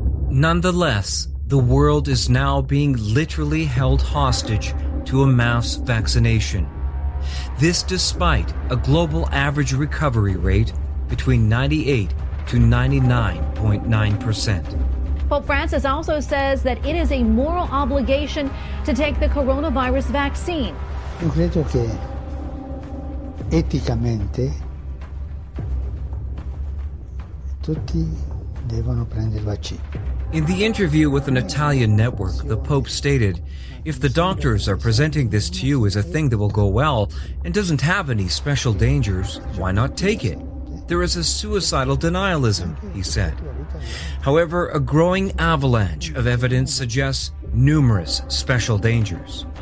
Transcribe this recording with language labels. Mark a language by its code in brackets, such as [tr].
[en] Nonetheless, the world is now being literally held hostage to a mass vaccination. This despite a global average recovery rate between 98 to 99.9%. Pope Francis also says that it is a moral obligation to take the coronavirus vaccine. [it] Io credo che eticamente tutti devono prendere il vaccino. [en] In the interview with an Italian network, the Pope stated, if the doctors are presenting this to you as a thing that will go well and doesn't have any special dangers, why not take it? There is a suicidal denialism, he said. However, a growing avalanche of evidence suggests numerous special dangers.